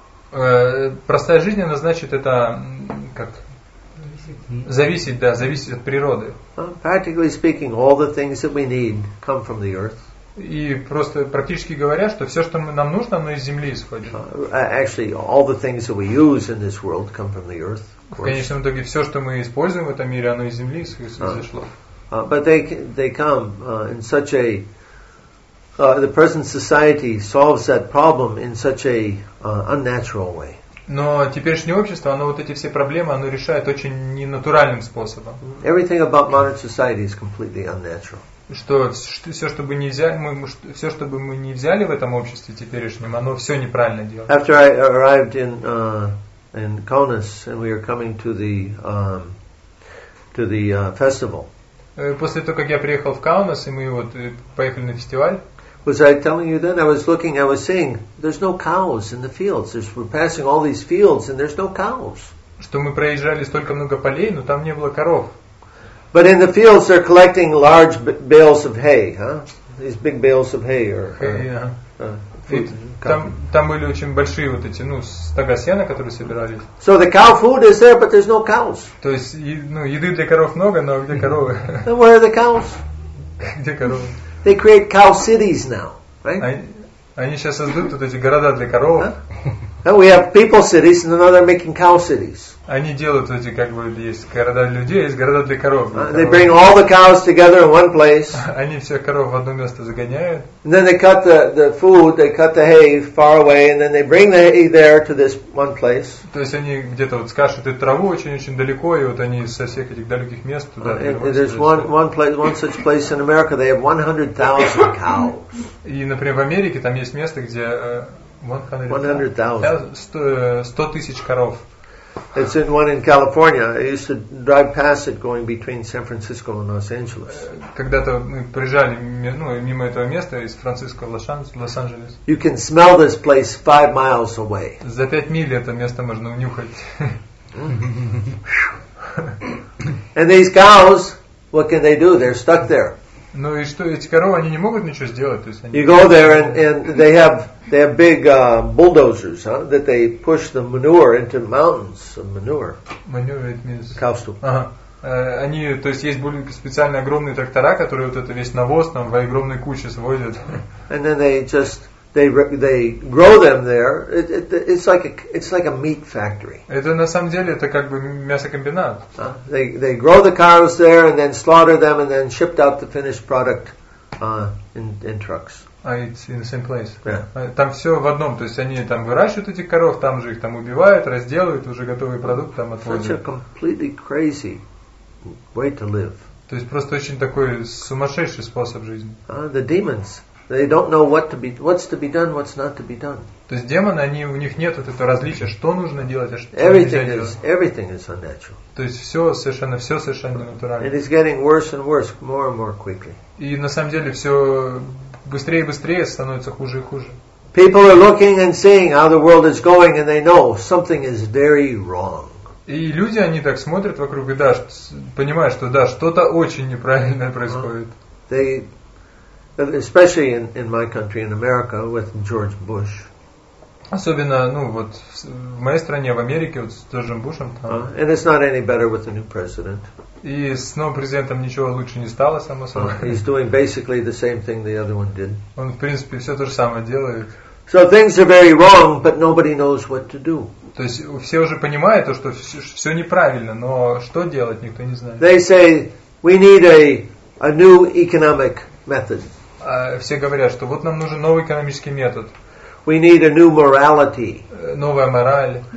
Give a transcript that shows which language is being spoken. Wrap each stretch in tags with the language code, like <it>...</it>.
<ru>Простая жизнь, она значит это как зависеть, да, зависеть от природы.</ru> <en>Practically speaking, all the things that we need come from the earth.</en> <ru>И просто практически говоря, что все, что нам нужно, оно из земли исходит.</ru> <en>Actually, all the things that we use in this world come from the earth.</en> <ru>В конечном итоге все, что мы используем в этом мире, оно из земли исходит.</ru> <en>But they come in such a the present society solves that problem in such a unnatural way.</en> <ru>Но теперешнее общество, оно вот эти все проблемы, оно решает очень ненатуральным способом.</ru> <en>Everything about modern society is completely unnatural.</en> <ru>Что все, что бы не взяли, мы все, что бы мы не взяли в этом обществе теперешнем, оно все неправильно делает.</ru> <en>After I arrived in Kaunas and we were coming to the festival.</en> <ru>После того, как я приехал в Каунас и мы вот поехали на фестиваль.</ru> <en>Was I telling you then? I was looking, I was saying, there's no cows in the fields. We're passing all these fields, and there's no cows.</en> <ru>Что мы проезжали столько много полей, но там не было коров.</ru> <en>But in the fields, they're collecting large bales of hay, huh? These big bales of hay or food.</en> <ru>Там были очень большие вот эти, ну, стога сена, которые собирались.</ru> <en>So the cow food is there, but there's no cows.</en> <ru>То есть, ну, еды для коров много, но где коровы?</ru> <en>And where are the cows?</en> <ru>Где коровы?</ru> <en>They create cow cities now, right?</en> <ru>Они сейчас создают вот эти города для коров.</ru> <en>And we have people cities, and now they're making cow cities.</en> <ru>Они делают эти как бы есть города людей, есть города для коров.</ru> <en>They bring all the cows together in one place.</en> <ru>Они всех коров в одно место загоняют.</ru> <en>And then they cut the food, they cut the hay far away, and then they bring the hay there to this one place.</en> <ru>То есть они где-то вот скашут эту траву очень-очень далеко, и вот они со всех этих далеких мест туда.</ru> <en>There's one place, one such place in America. They have 100,000 cows.</en> <ru>И, например, в Америке там есть место, где 100,000.</ru> <en>It's in one in California. I used to drive past it going between San Francisco and Los Angeles.</en> <ru>Когда-то мы проезжали мимо этого места из Франциско в Лос-Анджелес.</ru> <en>You can smell this place 5 miles away.</en> <ru>За 5 миль это место можно унюхать.</ru> <en>And these cows, what can they do? They're stuck there.</en> <ru>Ну и что, эти коровы, они не могут ничего сделать, то есть они.</ru> <en>You go there and they have big bulldozers, huh? That they push the manure into mountains of manure. Manure it means. Cow stool. Ага.</en> <ru>Они, то есть есть специальные огромные трактора, которые вот это весь навоз там в огромной куче сводят.</ru> <en>And then they grow them there. It's like a meat factory.</en> <ru>Это на самом деле это как бы мясокомбинат.</ru> <en>They grow the cows there and then slaughter them and then ship out the finished product in trucks. It's in the same place. Yeah.</en> <ru>Там все в одном. То есть они там выращивают этих коров, там же их там убивают, разделывают уже готовый продукт там отвозят.</ru> <en>Such a completely crazy way to live.</en> <ru>То есть просто очень такой сумасшедший способ жизни.</ru> <en>The demons. They don't know what's to be done, what's not to be done.</en> <ru>То есть демоны, они у них нет вот этого различия, что нужно делать, а что</ru> <en>everything is,</en> <ru>делать.</ru> <en>Everything is unnatural.</en> <ru>То есть все совершенно ненатурально.</ru> <en>It is getting worse and worse, more and more quickly.</en> <ru>И на самом деле все быстрее и быстрее становится хуже и хуже.</ru> <en>People are looking and seeing how the world is going, and they know something is very wrong.</en> <ru>И люди, они так смотрят вокруг и да, понимают, что да, что-то очень неправильное происходит.</ru> <en>Especially in my country, in America, with George Bush.</en> <ru>Особенно, ну вот в моей стране, в Америке, вот с Джорджем Бушем. Там.</ru> <en>And it's not any better with the new president.</en> <ru>И с новым президентом ничего лучше не стало, само собой.</ru> <en>He's doing basically the same thing the other one did.</en> <ru>Он в принципе все то же самое делает.</ru> <en>So things are very wrong, but nobody knows what to do.</en> <ru>То есть все уже понимают то, что все неправильно, но что делать, никто не знает.</ru> <en>They say we need a a new economic method.</en> <ru>Все говорят, что вот нам нужен новый экономический метод.</ru> <en>We need a new morality.</en> <ru>Новая мораль.</ru>